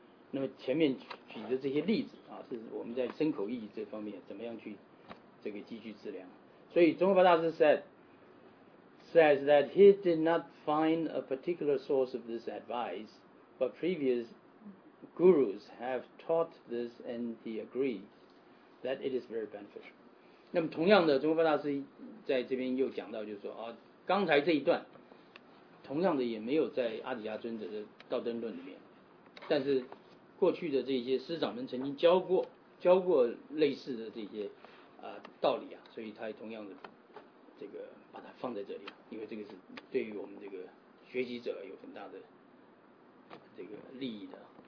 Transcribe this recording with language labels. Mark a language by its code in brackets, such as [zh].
[zh] 那么前面举的这些例子是我们在身口意这方面怎么样去这个积聚资粮。 [en] 所以中华大师 says that he did not find a particular source of this advice, but previous gurus have taught this, and he agreed that it is very beneficial. [zh] 那么同样的，中华大师在这边又讲到，就是说刚才这一段，同样的也没有在阿底峡尊者的《道灯论》里面，但是过去的这些师长们曾经教过类似的这些。道理所以他同样的这个把它放在这里因为这个是对于我们这个学习者有很大的这个利益的。